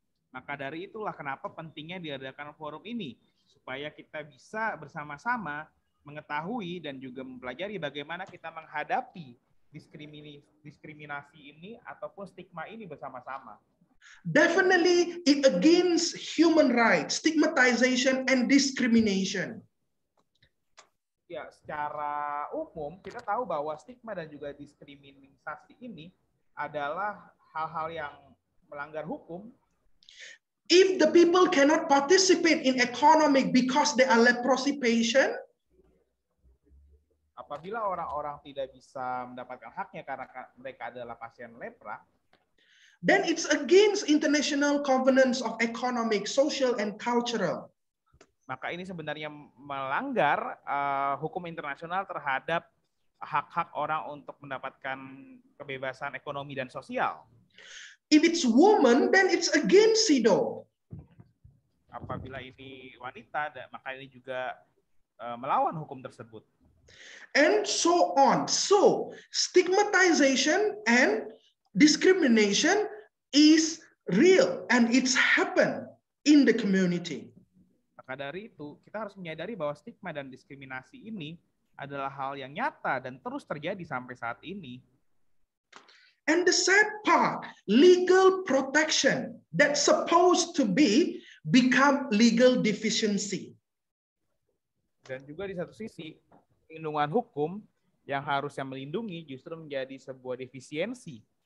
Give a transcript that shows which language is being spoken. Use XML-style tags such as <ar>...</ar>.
<id>Maka dari itulah kenapa pentingnya diadakan forum ini, supaya kita bisa bersama-sama mengetahui dan juga mempelajari bagaimana kita menghadapi diskriminasi ini ataupun stigma ini bersama-sama.</id> <en>Definitely it against human rights, stigmatization and discrimination.</en> <id>Ya, secara umum kita tahu bahwa stigma dan juga diskriminasi ini adalah hal-hal yang melanggar hukum.</id> <en>If the people cannot participate in economic because they are leprosy patient,</en> <id>apabila orang-orang tidak bisa mendapatkan haknya karena mereka adalah pasien lepra,</id> <en>then it's against international covenants of economic, social, and cultural.</en> <id>maka ini sebenarnya melanggar hukum internasional terhadap hak-hak orang untuk mendapatkan kebebasan ekonomi dan sosial.</id> <en>If it's woman, then it's against CEDAW.</en> <id>Apabila ini wanita, maka ini juga melawan hukum tersebut.</id> <en>And so on. So, stigmatization and discrimination is real and it's happened in the community.</en> <id>Maka dari itu, kita harus menyadari bahwa stigma dan diskriminasi ini adalah hal yang nyata dan terus terjadi sampai saat ini.</id> <en>And the sad part, legal protection that supposed to be become legal deficiency.</en> <id>Dan juga di satu sisi, perlindungan hukum yang harusnya melindungi justru menjadi sebuah defisiensi.</id>